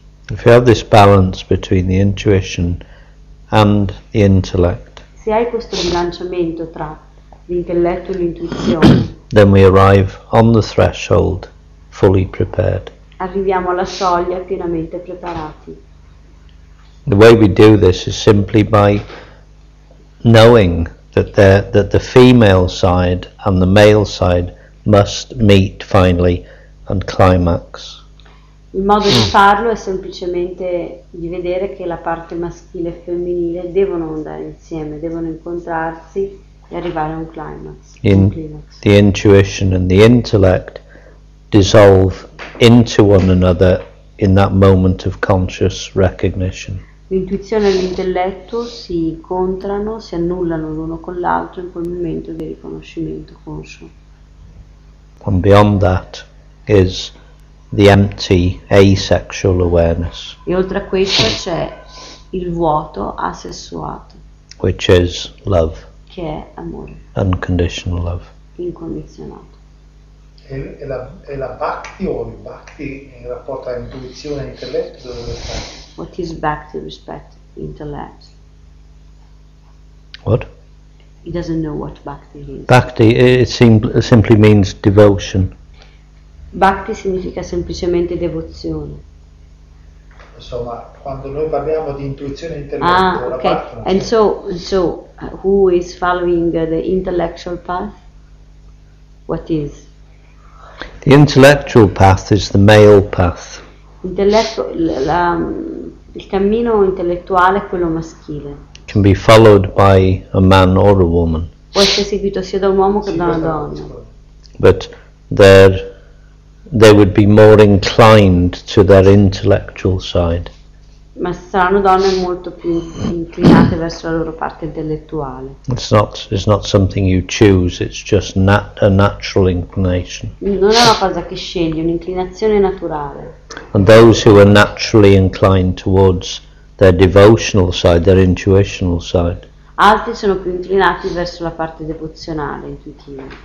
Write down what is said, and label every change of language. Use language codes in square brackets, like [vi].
[en] If you have this balance between the intuition and the intellect, [it] se hai questo bilanciamento tra l'intelletto e l'intuizione, [en] then we arrive on the threshold fully prepared. [it] Arriviamo alla soglia pienamente preparati. [en] The way we do this is simply by knowing that the female side and the male side must meet finally and climax. [it] Il modo di farlo è semplicemente di vedere che la parte maschile e femminile devono andare insieme, devono incontrarsi e arrivare a un climax. [en] The intuition and the intellect dissolve into one another in that moment of conscious recognition. [it] L'intuizione e l'intelletto si incontrano, si annullano l'uno con l'altro in quel momento di riconoscimento conscio. [en] And beyond that is the empty asexual awareness. [it] E oltre a questo c'è il vuoto asessuato. [en] Which is love. [it] Che è amore. [en] Unconditional love. [it] Incondizionato. È la bhakti o il bhakti in rapporto a intuizione e intelletto dove deve stare? [en] What is bhakti respect intellect? What? He doesn't know what bhakti is. Bhakti, it simply means devotion. Bhakti significa semplicemente devozione. [it] Insomma, quando noi parliamo di intuizione e intelletto, okay. La parte non c'è. [en] And so, who is following the intellectual path? What is? The intellectual path is the male path. [it] Il cammino intellettuale è quello maschile. [en] Can be followed by a man or a woman. [it] Può essere seguito sia da un uomo che da una donna. [en] But there they would be more inclined to their intellectual side. [it] Ma saranno donne molto più inclinate verso la loro parte intellettuale. [en] It's not something you choose, it's just a natural inclination. [it] Non è una cosa che scegli, un'inclinazione naturale. [en] And those who are naturally inclined towards their devotional side, their intuitional side, [it] altri sono più inclinati verso la parte devozionale, intuitiva.